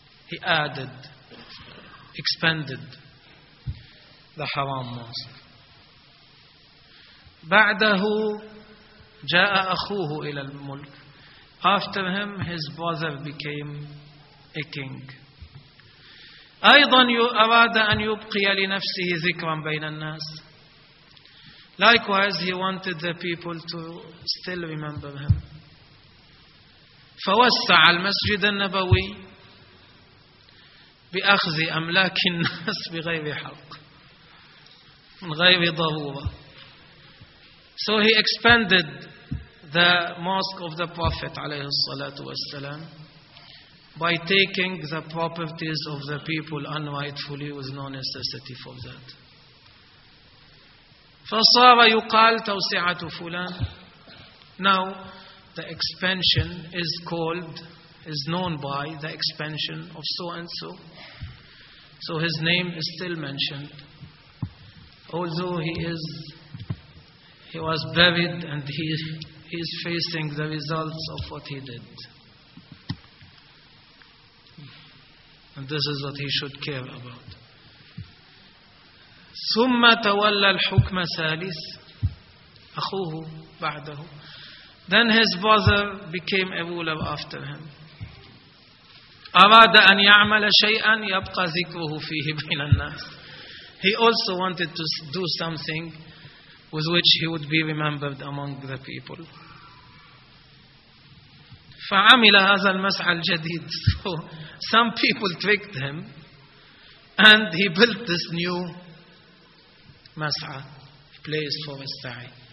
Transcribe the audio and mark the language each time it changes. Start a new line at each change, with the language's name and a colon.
English: he added, expanded the Haram mosque.
Arabic: بعده جاء أخوه إلى الملك.
English: After him, his brother became a king.
Arabic: أيضا أراد أن يبقي لنفسه ذكرا بين الناس.
English: Likewise, he wanted the people to still remember him.
Arabic: فوسع المسجد النبوي بأخذ أملاك الناس بغير حق من غير ضرورة.
English: So he expanded the mosque of the Prophet
Arabic: عليه الصلاة والسلام
English: by taking the properties of the people unrightfully with no necessity for that.
Arabic: فصار يقال توسعة فلان.
English: Now the expansion is called, is known by the expansion of so and so. So his name is still mentioned, although he was buried and he is facing the results of what he did. And this is what he should care about.
Arabic: ثم تولى الحكم ثالث أخوه بعده.
English: Then his brother became a ruler after him.
Arabic: أراد أن يعمل شيئا يبقى ذكره فيه بين الناس.
English: He also wanted to do something with which he would be remembered among the people.
Arabic: فعمل هذا المسعى الجديد.
English: So some people tricked him and he built this new مسعى, place for his سعي.